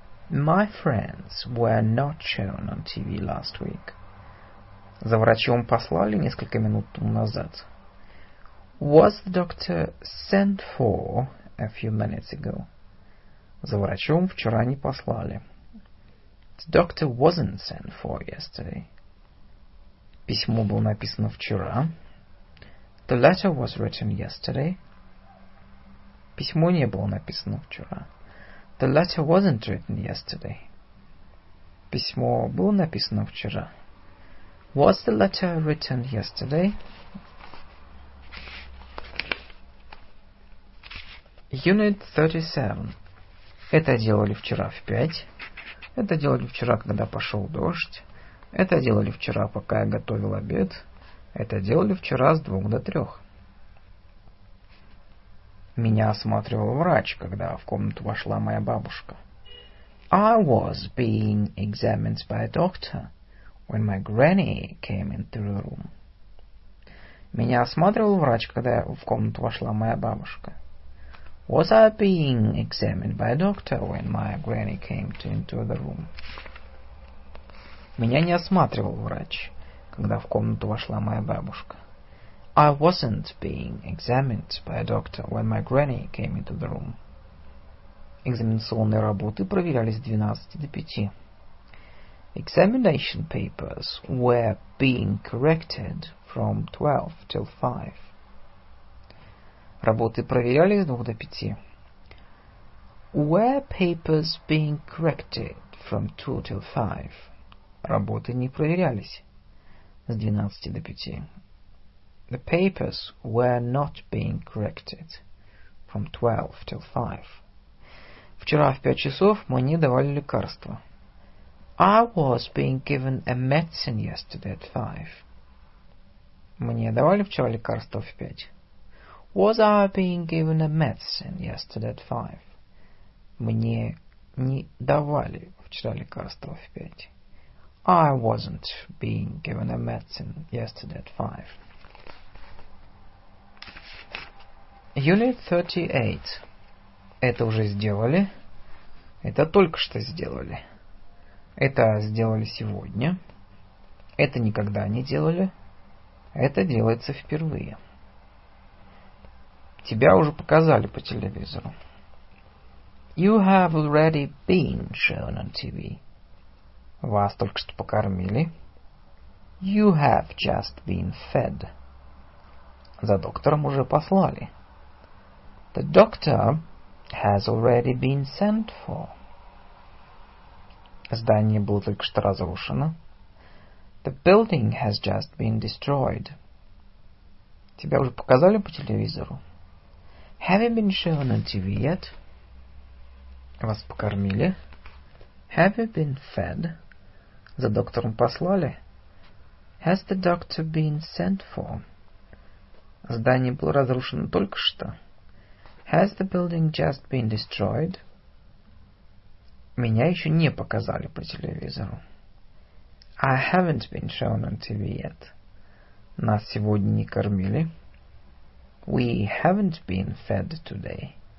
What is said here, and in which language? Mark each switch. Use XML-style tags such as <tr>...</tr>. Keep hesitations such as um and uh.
<en>My friends were not shown on TV last week.</en> <ru>За врачом послали несколько минут тому назад.</ru> <en>Was the doctor sent for a few minutes ago?</en> <ru>За врачом вчера не послали.</ru> <en>The doctor wasn't sent for yesterday.</en> <ru>Письмо было написано вчера.</ru> <en>The letter was written yesterday.</en> <ru>Письмо не было написано вчера.</ru> <en>The letter wasn't written yesterday.</en> <ru>Письмо было написано вчера.</ru> <en>Was the letter written yesterday? Unit 37.</en> <ru>Это делали вчера в 5. Это делали вчера, когда пошел дождь. Это делали вчера, пока я готовил обед. Это делали вчера с двух до трех. Меня осматривал врач, когда в комнату вошла моя бабушка.</ru> <en>I was being examined by a doctor when my granny came into the room.</en> <ru>Меня осматривал врач, когда в комнату вошла моя бабушка.</ru> <en>Was I being examined by a doctor when my granny came to, into the room?</en> <ru>Меня не осматривал врач, когда в комнату вошла моя бабушка.</ru> <en>I wasn't being examined by a doctor when my granny came into the room.</en> <ru>Экзаменационные работы проверялись с 12 до 5.</ru> <en>Examination papers were being corrected from 12 till 5.</en> <ru>Работы проверялись с 2 до 5.</ru> <en>Were papers being corrected from 2 till 5?</en> <ru>Работы не проверялись с 12 до 5.</ru> <en>The papers were not being corrected from 12 till 5.</en> <ru>Вчера в 5 часов мне давали лекарство.</ru> <en>I was being given a medicine yesterday at 5.</en> <ru>Мне давали вчера лекарство в 5.</ru> <en>Was I being given a medicine yesterday at five?</en> <ru>Мне не давали вчера лекарства в пять.</ru> <en>I wasn't being given a medicine yesterday at five. Unit 38.</en> <ru>Это уже сделали. Это только что сделали. Это сделали сегодня. Это никогда не делали. Это делается впервые. Тебя уже показали по телевизору.</ru> <en>You have already been shown on TV.</en> <ru>Вас только что покормили.</ru> <en>You have just been fed.</en> <ru>За доктором уже послали.</ru> <en>The doctor has already been sent for.</en> <ru>Здание было только что разрушено.</ru> <en>The building has just been destroyed.</en> <ru>Тебя уже показали по телевизору?</ru> <en>Have you been shown on TV yet?</en> <ru>Вас покормили?</ru> <en>Have you been fed?</en> <ru>За доктором послали?</ru> <en>Has the doctor been sent for?</en> <ru>Здание было разрушено только что.</ru> <en>Has the building just been destroyed?</en> <ru>Меня еще не показали по телевизору.</ru> <en>I haven't been shown on TV yet.</en> <ru>Нас сегодня не кормили.</ru> <en>We haven't been fed today.</en>